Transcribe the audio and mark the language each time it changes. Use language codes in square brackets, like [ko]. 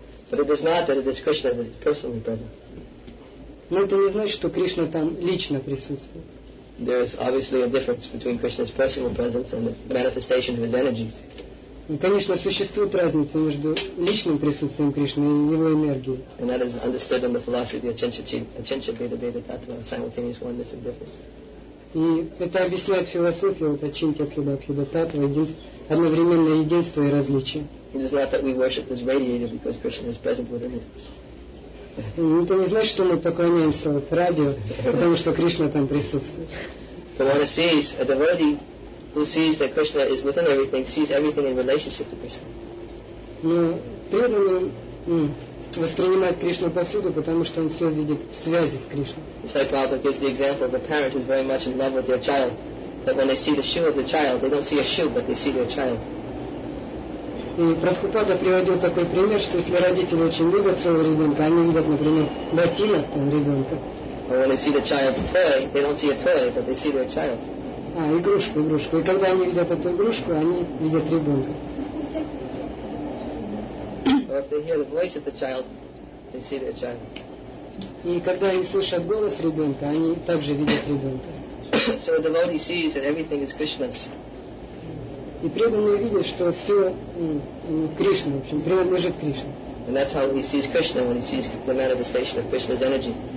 [en] But it does not that it is Krishna that is personally present. [ru] Но это не значит, что Кришна там лично присутствует. [en] There is obviously a difference between Krishna's personal presence and the manifestation of his energies. [ru] Конечно, существует разница между личным присутствием Кришны и его энергией. [en] And that is understood in the philosophy of Achintya Bheda Tattva, simultaneous oneness and difference. [ru] И это объясняет философия вот Ачинтья Бхакти-йога Таттва, одновременное единство и различие. [en] It is not that we worship this radiator because Krishna is present within it. [ru] Это не значит, что мы поклоняемся вот радио, потому что Кришна там присутствует. [en] But one sees, a devotee who sees that Krishna is within everything, sees everything in relationship to Krishna. [ru] Но преданный воспринимает Кришну повсюду, потому что он все видит в связи с Кришной. [en] Sai Prabhupada gives the example of a parent who's very much in love with their child, that when they see the shoe of the child, they don't see a shoe, but they see their child. [ru] И Прабхупада приводил такой пример, что если родители очень любят своего ребенка, они видят, например, ботинок там ребенка. [en] Or when they see the child's toy, they don't see a toy, but they see their child. [ru] А, игрушку. И когда они видят эту игрушку, они видят ребенка. [en] Or if they hear the voice of the child, they see their child. [ru] И когда они слышат голос ребенка, они также видят ребенка. [en] So a devotee sees that everything is Krishna's. [ru] И преданный видит, что все Кришна, в общем, принадлежит Кришне. [en] And that's how he sees Krishna when he sees the manifestation of Krishna's energy.